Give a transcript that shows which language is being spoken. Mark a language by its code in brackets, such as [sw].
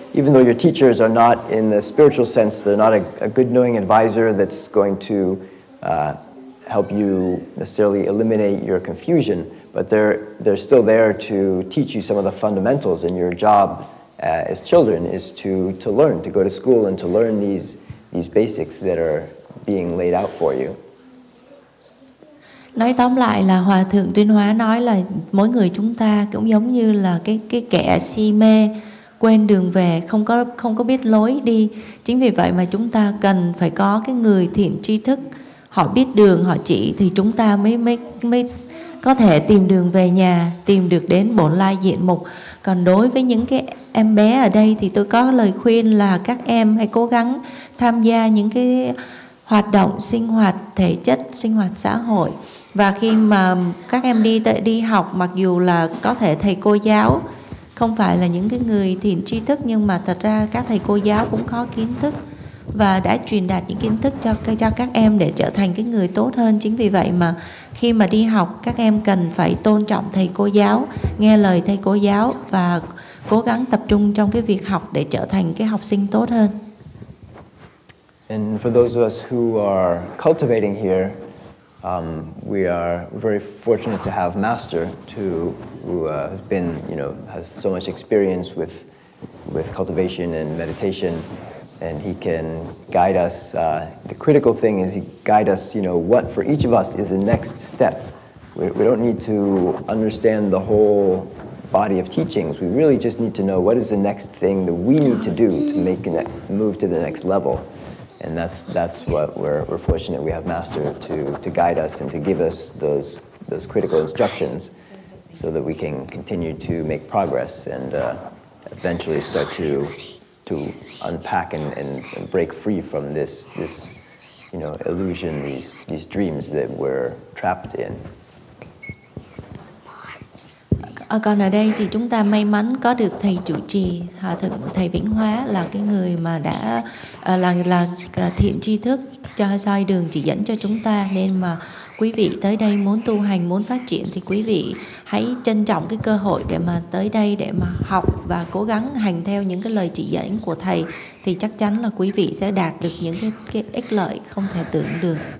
[en] Even though your teachers are not, in the spiritual sense, they're not a good knowing advisor that's going to help you necessarily eliminate your confusion, but they're still there to teach you some of the fundamentals, and your job as children is to learn, to go to school and to learn these basics that are being laid out for you. [vi] Nói tóm lại là Hòa Thượng Tuyên Hóa nói là mỗi người chúng ta cũng giống như là cái kẻ si mê, quên đường về, không có biết lối đi. Chính vì vậy mà chúng ta cần phải có cái người thiện tri thức, họ biết đường, họ chỉ, thì chúng ta mới có thể tìm đường về nhà, tìm được đến bổn lai diện mục. Còn đối với những cái em bé ở đây thì tôi có lời khuyên là các em hãy cố gắng tham gia những cái hoạt động sinh hoạt thể chất, sinh hoạt xã hội. Và khi mà các em đi học, mặc dù là có thể thầy cô giáo không phải là những cái người thiện tri thức, nhưng mà thật ra các thầy cô giáo cũng có kiến thức và đã truyền đạt những kiến thức cho các em để trở thành cái người tốt hơn. Chính vì vậy mà khi mà đi học, các em cần phải tôn trọng thầy cô giáo, nghe lời thầy cô giáo và cố gắng tập trung trong cái việc học để trở thành cái học sinh tốt hơn. [en] And for those of us who are cultivating here, we are very fortunate to have Master who has been, you know, has so much experience with cultivation and meditation, and he can guide us. The critical thing is he guide us, you know, what for each of us is the next step. We don't need to understand the whole body of teachings. We really just need to know what is the next thing that we need to do to make move to the next level. And that's what we're fortunate we have Master to guide us and to give us those critical instructions so that we can continue to make progress and eventually start to unpack and break free from this you know illusion, these dreams that we're trapped in. [vi] Còn ở đây thì chúng ta may mắn có được thầy chủ trì Hòa Thượng thầy Vĩnh Hóa là cái người mà đã là thiện tri thức cho soi đường chỉ dẫn cho chúng ta, nên mà quý vị tới đây muốn tu hành, muốn phát triển thì quý vị hãy trân trọng cái cơ hội để mà tới đây để mà học và cố gắng hành theo những cái lời chỉ dẫn của thầy, thì chắc chắn là quý vị sẽ đạt được những cái ích lợi không thể tưởng được.